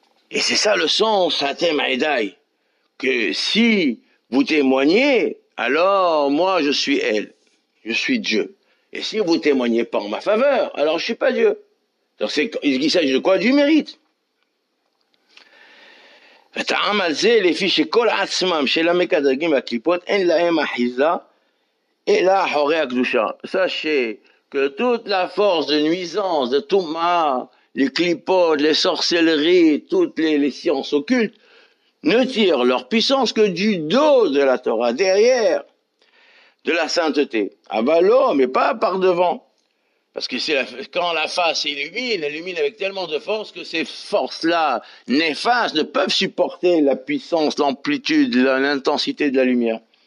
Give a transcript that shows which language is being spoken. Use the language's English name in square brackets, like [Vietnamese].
[French] Et c'est ça le sens, Atem Aedai. Que si vous témoignez, alors moi, je suis elle. Je suis Dieu. Et si vous témoignez pas en ma faveur, alors je ne suis pas Dieu. Donc, il s'agit de quoi? Du mérite. [Hebrew] וטעם על זה לפי שכל עצמם של המקדרגים והקליפות אין להם אחיזה אלא אחורי הקדושה. [French] Sachez que toute la force de nuisance, de Touma, les clipotes, les sorcelleries, toutes les sciences occultes ne tirent leur puissance que du dos de la Torah, derrière de la sainteté. Avalo, mais pas par devant. Parce que quand la face illumine, elle illumine avec tellement de force que ces forces-là néfastes ne peuvent supporter la puissance, l'amplitude, l'intensité de la lumière.